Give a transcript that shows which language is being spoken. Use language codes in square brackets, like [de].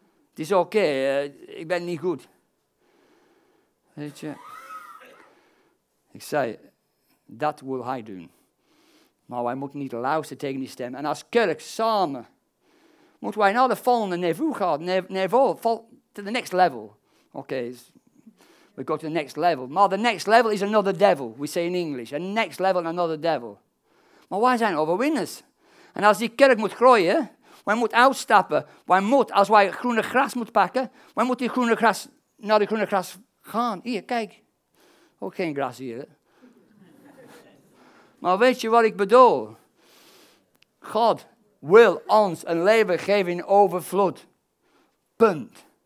[nl] Het is oké, ik ben niet goed. Weet je, ik zei, dat wil hij doen. Maar wij moeten niet luisteren tegen die stem. En als kerk samen, moeten wij naar de volgende niveau gaan. [en] To the next level. Oké, we go to the next level. Maar the next level is another devil, we say in English. A next level, another devil. [nl] Maar wij zijn overwinners. En als die kerk moet groeien, wij moeten uitstappen. Als wij groene gras moeten pakken, wij moeten die groene gras, naar de groene gras gaan. Hier, kijk. Ook geen gras hier. Maar weet je wat ik bedoel? God wil ons een leven geven in overvloed. Punt.